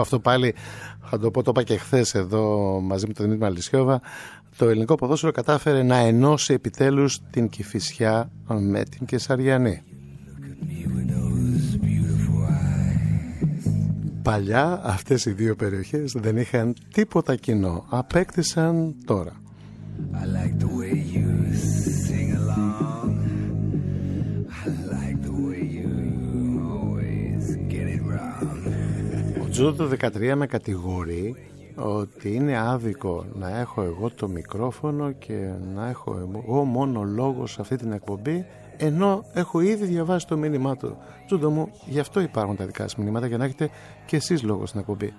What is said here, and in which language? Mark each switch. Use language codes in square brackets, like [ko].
[el] Αυτό πάλι θα το πω, το είπα και χθες εδώ μαζί με τον Δημήτρη Μαλισιώβα. Το ελληνικό ποδόσφαιρο κατάφερε να ενώσει επιτέλους την Κηφισιά με την Κεσαριανή. Παλιά αυτές οι δύο περιοχές δεν είχαν τίποτα κοινό. Απέκτησαν τώρα. [en] I like the way you sing along. I like the way you always get it wrong. [el] Ο Τζούδο το 13 με κατηγορεί ότι είναι άδικο να έχω εγώ το μικρόφωνο και να έχω εγώ μόνο λόγο σε αυτή την εκπομπή, ενώ έχω ήδη διαβάσει το μήνυμά του. Τζούντο μου, γι' αυτό υπάρχουν τα δικά σας μηνύματα, για να έχετε και εσείς λόγο στην εκπομπή.